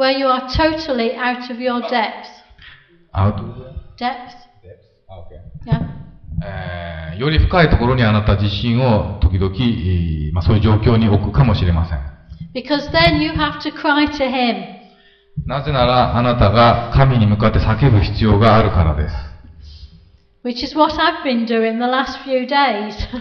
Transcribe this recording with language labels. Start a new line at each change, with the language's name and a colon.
English: Where you are totally out of your depth. Out of depth. Depth. Okay. Yeah.
Japanese: より深いところにあなた自身を時々、まあ、そういう状況に置くかもしれません。
English: Because then you have to cry to him.
Japanese: なぜならあなたが神に向かって叫ぶ必要があるからです。
English: Which is what I've been doing the last few days.